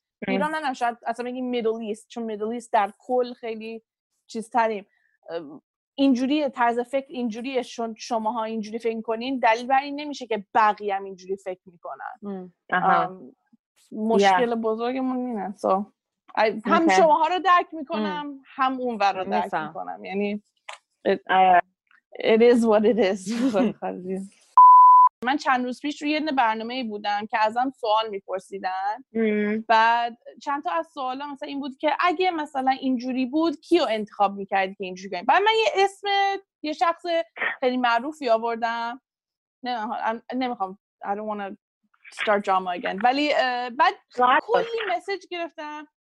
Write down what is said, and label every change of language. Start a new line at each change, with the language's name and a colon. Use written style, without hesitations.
Persian: ایران هم شاید اصلا بگیم میدل ایست، چون میدل ایست در کل خیلی چیز تریم، اینجوریه طرز فکر، اینجوریه. چون شماها اینجوری فکر کنین، دلیل بر این نمیشه که بقیه هم اینجوری فکر میکنن. مشکل بزرگمون اینه. سو هم شماها رو درک میکنم، هم اون ور رو درک میکنم.
English: یعنی it is what it is.
Persian: من چند روز پیش روی یه برنامه بودم که ازم سوال میپرسیدن. بعد چند تا از سوال ها مثلا این بود که اگه مثلا اینجوری بود کیو انتخاب میکردی که اینجوری کنی؟ بعد من یه اسم یه شخص خیلی معروفی آوردم، نمیخوام
English: I don't wanna start drama again،
Persian: ولی بعد کلی مسیج گرفتم.